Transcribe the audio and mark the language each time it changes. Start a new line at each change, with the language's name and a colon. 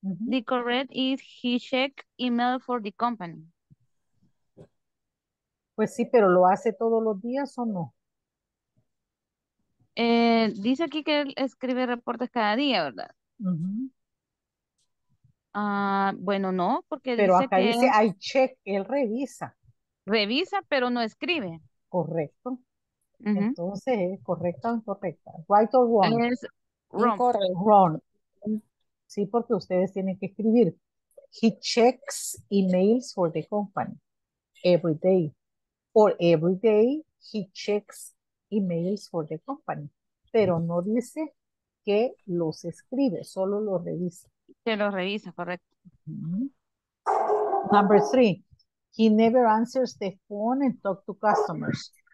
English: The correct is he checks email for the company.
Spanish: Pues sí, pero ¿lo hace todos los días o no? Dice aquí que él escribe reportes cada día, ¿verdad? Bueno, no, porque pero dice acá que dice
English: I check,
Spanish: él revisa. Revisa, pero no escribe. Correcto. Entonces, ¿es correcta o incorrecta?
English: Right or wrong?
Spanish: Es wrong. Wrong. Sí, porque ustedes tienen que escribir.
English: He checks emails for the company every day. Or every day, he checks emails for the company.
Spanish: Pero no dice que los escribe, solo los revisa. Que los revisa, correcto.
English: Number three, he never answers the phone and talk to customers.